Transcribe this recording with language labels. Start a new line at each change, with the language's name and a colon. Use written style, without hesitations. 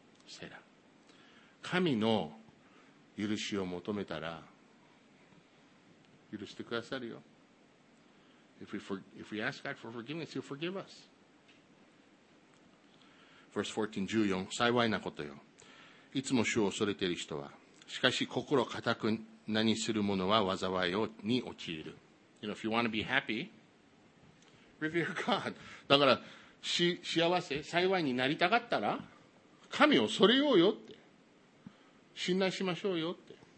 Japanese: セラ、神の許しを求めたら許してくださるよ。
English: if we ask God for forgiveness, He'll forgive us. Verse 14,
Japanese: 14、幸いなことよ、いつも主を恐れている人は、しかし心固くなにする者は災いに陥る。
English: You know, if you want to be happy, revere God.
Japanese: だから幸せ、幸いになりたかったら神を恐れようよって、信頼しましょうよって。